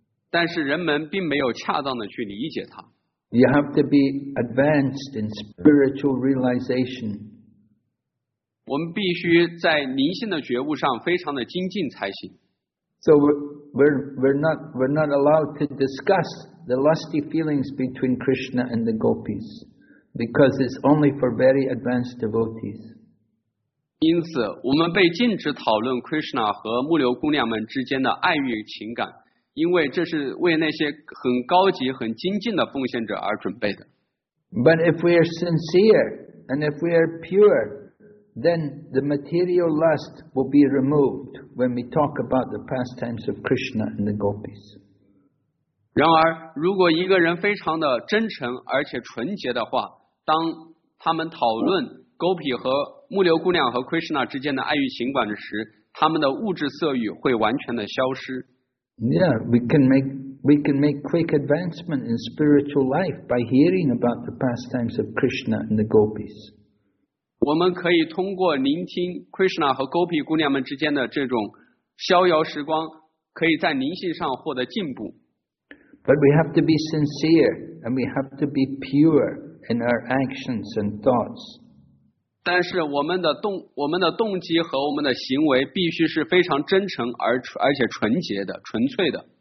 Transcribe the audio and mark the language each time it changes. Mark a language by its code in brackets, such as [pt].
[zh] 但是人们并没有恰当的去理解它。 [en] You have to be advanced in spiritual realization. [zh] 我们必须在灵性的觉悟上非常的精进才行。 [en] So we're not allowed to discuss the lusty feelings between Krishna and the gopis, because it's only for very advanced devotees. [zh] 因此，我们被禁止讨论 Krishna 和牧牛姑娘们之间的爱欲情感。因为这是为那些很高级很精进的奉献者而准备的。 [en] But if we are sincere and if we are pure, then the material lust will be removed when we talk about the pastimes of Krishna and the gopis. [zh] 然而如果一个人非常的真诚而且纯洁的话，当他们讨论勾比和牧牛姑娘和 Krishna 之间的爱欲情感时，他们的物质色欲会完全的消失。 [en] Yeah, we can make quick advancement in spiritual life by hearing about the pastimes of Krishna and the gopis. [zh] 我们可以通过聆听 Krishna 和 Gopi 姑娘们之间的这种逍遥时光，可以在灵性上获得进步。 [en] But we have to be sincere and we have to be pure in our actions and thoughts. [zh] 但是我们的动机和我们的行为必须是非常真诚而且纯洁的、纯粹的。